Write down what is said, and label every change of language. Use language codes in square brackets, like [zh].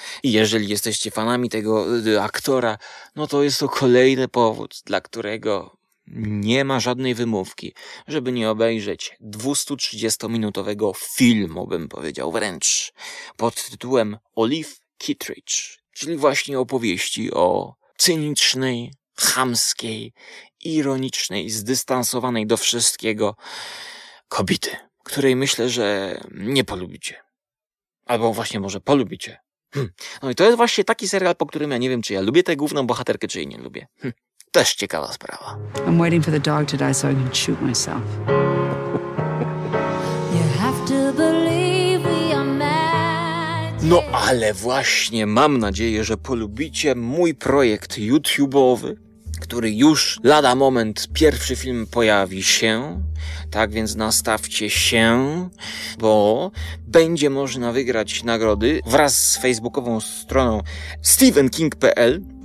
[pl] I jeżeli jesteście fanami tego aktora, no to jest to kolejny powód, dla którego nie ma żadnej wymówki, żeby nie obejrzeć 230-minutowego filmu, bym powiedział wręcz, pod tytułem Olive Kittredge, czyli właśnie opowieści o cynicznej, chamskiej, ironicznej, zdystansowanej do wszystkiego kobiety, której myślę, że nie polubicie. Albo właśnie może polubicie. No i to jest właśnie taki serial, po którym ja nie wiem, czy ja lubię tę główną bohaterkę, czy jej nie lubię. Też ciekawa sprawa. [en] I'm waiting for the dog to die so I can shoot myself. You have to believe we are magic. [pl] No ale właśnie mam nadzieję, że polubicie mój projekt YouTube'owy, który już lada moment pierwszy film pojawi się, tak więc nastawcie się, bo będzie można wygrać nagrody wraz z facebookową stroną stephenking.pl.